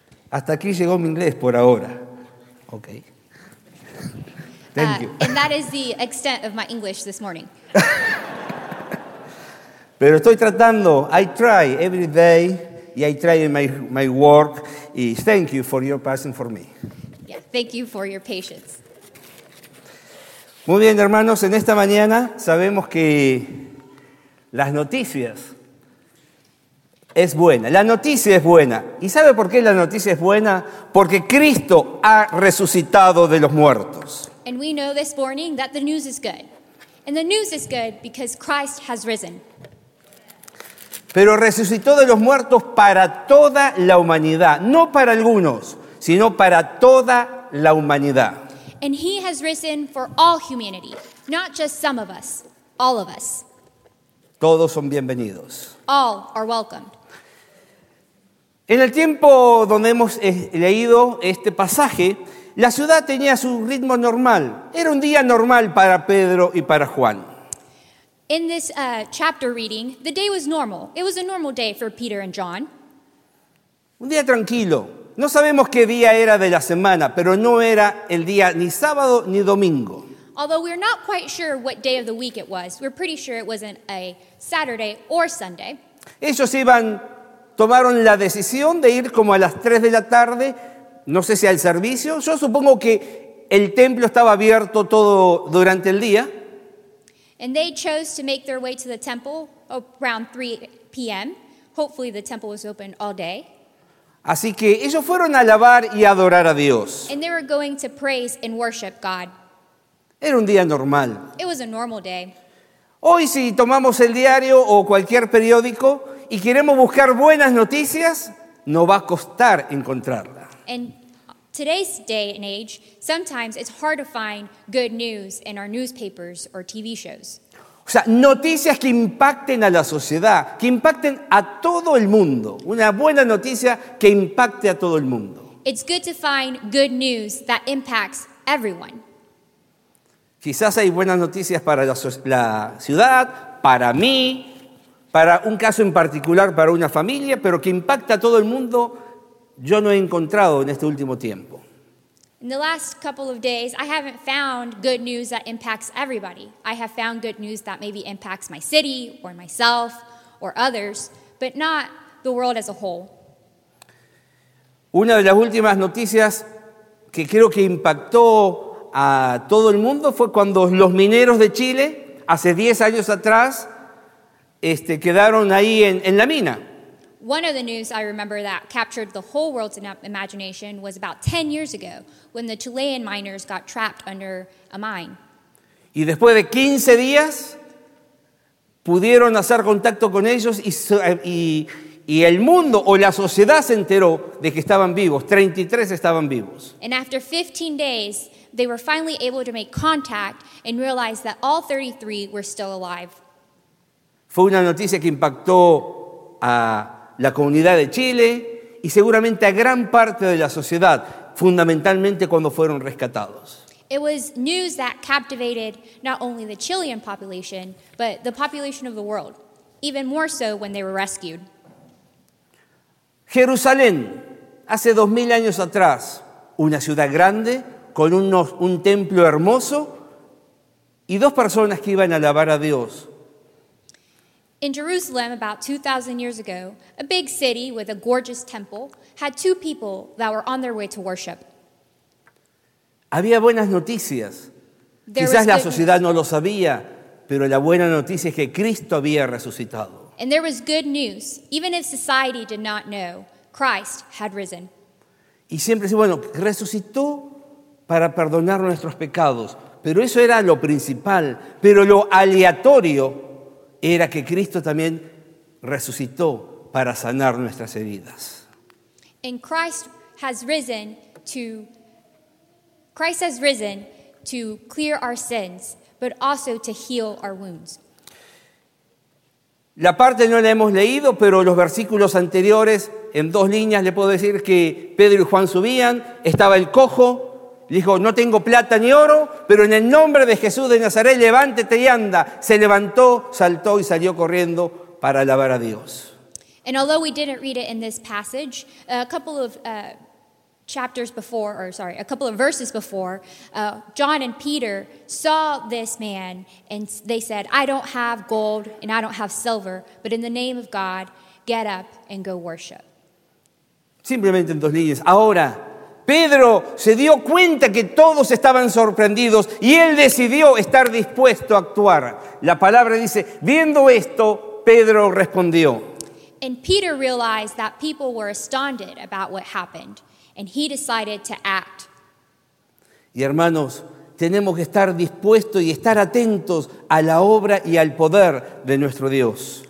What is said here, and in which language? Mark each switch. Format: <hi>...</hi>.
<es>Hasta aquí llegó mi inglés por ahora.</es> <en>Okay. Thank you. And that is the extent of my English this morning.</en> <es>Pero estoy tratando,</es> <en>I try every day, y I try in my work. Y thank you for your passion for me. Yeah, thank you for your patience.</en> <es>Muy bien, hermanos, en esta mañana sabemos que las noticias es buena. La noticia es buena. ¿Y sabe por qué la noticia es buena? Porque Cristo ha resucitado de los muertos.</es> <en>And we know this morning that the news is good. And the news is good because Christ has risen.</en> <es>Pero resucitó de los muertos para toda la humanidad, no para algunos, sino para toda la humanidad.</es> <en>And he has risen for all humanity, not just some of us, all of us.</en> <es>Todos son bienvenidos.</es> <en>All are welcomed.</en> <es>En el tiempo donde hemos leído este pasaje, la ciudad tenía su ritmo normal. Era un día normal para Pedro y para Juan.</es> <en>In this chapter reading, the day was normal. It was a normal day for Peter and John.</en> <es>Un día tranquilo. No sabemos qué día era de la semana, pero no era el día ni sábado ni domingo.</es> <en>Although we're not quite sure what day of the week it was, we're pretty sure it wasn't a Saturday or Sunday.</en> <es>Ellos tomaron la decisión de ir como a las 3 de la tarde, no sé si al servicio. Yo supongo que el templo estaba abierto todo durante el día.</es> <en>And they chose to make their way to the temple around 3 p.m. Hopefully the temple was open all day.</en> <es>Así que ellos fueron a alabar y adorar a Dios.</es> <en>And they were going to praise and worship God.</en> <es>Era un día normal.</es> <en>It was a normal day.</en> <es>Hoy si tomamos el diario o cualquier periódico y queremos buscar buenas noticias, nos va a costar encontrarla.</es> <en>And today's day and age, sometimes it's hard to find good news in our newspapers or TV shows.</en> <es>O sea, noticias que impacten a la sociedad, que impacten a todo el mundo. Una buena noticia que impacte a todo el mundo.</es> <en>It's good to find good news that impacts everyone.</en> <es>Quizás hay buenas noticias para la ciudad, para mí, para un caso en particular, para una familia, pero que impacta a todo el mundo, yo no he encontrado en este último tiempo.</es> <en>In the last couple of days, I haven't found good news that impacts everybody. I have found good news that maybe impacts my city or myself or others, but not the world as a whole.</en> <es>Una de las últimas noticias que creo que impactó a todo el mundo fue cuando los mineros de Chile, hace 10 años atrás, quedaron ahí en la mina.</es> <en>One of the news I remember that captured the whole world's imagination was about 10 years ago when the Chilean miners got trapped under a mine.</en> <es>Y después de 15 días, pudieron hacer contacto con ellos y el mundo o la sociedad se enteró de que estaban vivos. 33 estaban vivos.</es> <en>And after 15 days, they were finally able to make contact and realize that all 33 were still alive.</en> <es>Fue una noticia que impactó a la comunidad de Chile y seguramente a gran parte de la sociedad, fundamentalmente cuando fueron rescatados.</es> <en>It was news that captivated not only the Chilean population, but the population of the world, even more so when they were rescued.</en> <es>Jerusalén, hace 2000 años atrás, una ciudad grande con un templo hermoso y dos personas que iban a alabar a Dios.</es> <en>In Jerusalem, about 2,000 years ago, a big city with a gorgeous temple had two people that were on their way to worship.</en> <es>Había buenas noticias. Quizás la sociedad no lo sabía, pero la buena noticia es que Cristo había resucitado.</es> <en>And there was good news. Even if society did not know, Christ had risen.</en> <es>Y siempre decía, bueno, resucitó para perdonar nuestros pecados. Pero eso era lo principal. Pero lo aleatorio era que Cristo también resucitó para sanar nuestras heridas.</es> <en>And Christ has risen to clear our sins, but also to heal our wounds.</en> <es>La parte no la hemos leído, pero los versículos anteriores, en dos líneas, le puedo decir que Pedro y Juan subían, estaba el cojo, le dijo, no tengo plata ni oro, pero en el nombre de Jesús de Nazaret, levántate y anda. Se levantó, saltó y salió corriendo para alabar a Dios.</es> <en>And although we didn't read it in this passage, a couple of verses before, John and Peter saw this man and they said, I don't have gold and I don't have silver, but in the name of God, get up and go worship.</en> <es>Simplemente en dos líneas. Ahora, Pedro se dio cuenta que todos estaban sorprendidos y él decidió estar dispuesto a actuar. La palabra dice, viendo esto, Pedro respondió.</es> <en>And Peter realized that people were astounded about what happened, and he decided to act.</en> <es>Y hermanos, tenemos que estar dispuestos y estar atentos a la obra y al poder de nuestro Dios.</es>